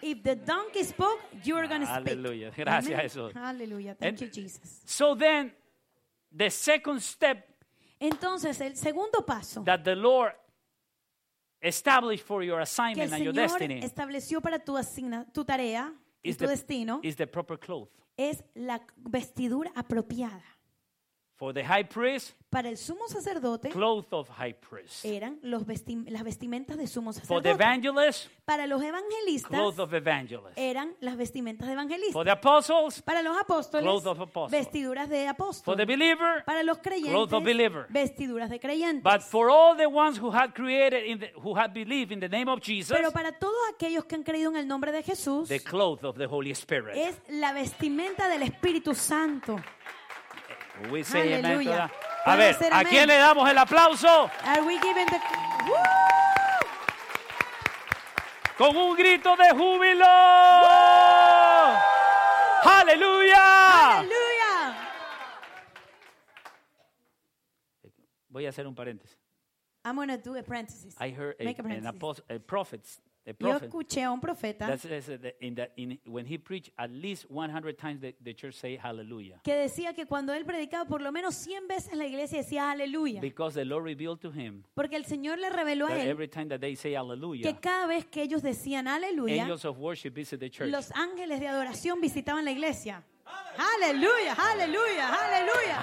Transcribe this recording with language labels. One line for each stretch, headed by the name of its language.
English: If the donkey spoke, you're going to speak.
Spanish: Aleluya, gracias a eso.
English: Aleluya, thank you Jesus. So then, the second step.
Spanish: Entonces, el segundo paso.
English: That the Lord established for your assignment and your destiny.
Spanish: Que el Señor estableció para tu tarea y tu destino.
English: Is the proper clothes.
Spanish: Es la vestidura apropiada.
English: For the high priest.
Spanish: Para el sumo sacerdote.
English: Clothes of high priest.
Spanish: Eran las vestimentas de sumo sacerdote.
English: For the evangelist.
Spanish: Para los evangelistas.
English: Clothes of evangelist.
Spanish: Eran las vestimentas de evangelistas.
English: For the apostles.
Spanish: Para los apóstoles.
English: Clothes of apostles.
Spanish: Vestiduras de apóstol.
English: For the believer.
Spanish: Para los creyentes.
English: Clothes of believer.
Spanish: Vestiduras de creyentes.
English: But for all the ones who had created in the, who had believed in the name of Jesus.
Spanish: Pero para todos aquellos que han creído en el nombre de Jesús.
English: The clothes of the Holy Spirit.
Spanish: Es la vestimenta del Espíritu Santo.
English: We say amen.
Spanish: A ver, ¿a quién le damos el aplauso?
English: Are we giving the
Spanish: con un grito de júbilo. ¡Aleluya! ¡Aleluya! Voy a hacer un paréntesis.
English: I'm going to do a parenthesis. I heard a prophet.
Spanish: Yo escuché a un profeta.
English: That's in when he preached at least 100 times the church say hallelujah.
Spanish: Que decía que cuando él predicaba por lo menos 100 veces la iglesia decía aleluya.
English: Because the Lord revealed to him.
Spanish: Porque el Señor le reveló a él.
English: Every time that they say hallelujah.
Spanish: Que cada vez que ellos decían aleluya.
English: Angels of worship visit the church.
Spanish: Los ángeles de adoración visitaban la iglesia. Aleluya, aleluya, aleluya.